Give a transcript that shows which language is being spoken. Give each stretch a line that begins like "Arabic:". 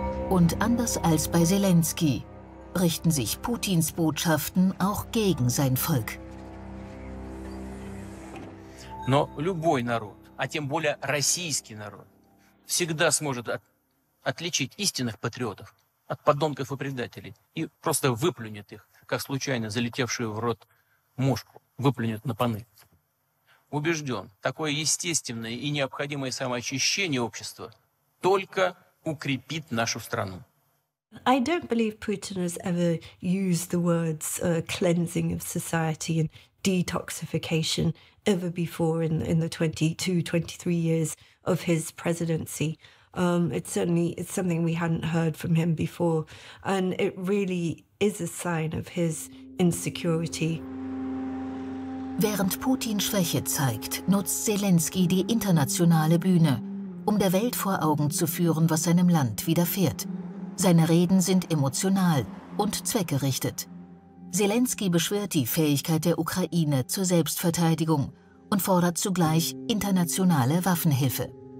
German: Und anders als bei Selenskyj richten sich Putins Botschaften auch gegen sein Volk.
Russian: Но любой народ, а тем более российский народ, всегда сможет отличить истинных патриотов от подонков и предателей и просто выплюнет их, как случайно залетевшую в рот мушку, выплюнет на панель. Убежден, такое естественное и необходимое самоочищение общества только укрепит нашу страну.
English: I don't believe Putin has ever used the words cleansing of society and detoxification ever before in the 22, 23 years of his presidency. It's something we hadn't heard from him before, and it really is a sign of his insecurity.
German: Während Putin Schwäche zeigt, nutzt Selenskyj die internationale Bühne, um der Welt vor Augen zu führen, was seinem Land widerfährt. Seine Reden sind emotional und zweckgerichtet. Selenskyj beschwört die Fähigkeit der Ukraine zur Selbstverteidigung und fordert zugleich internationale Waffenhilfe.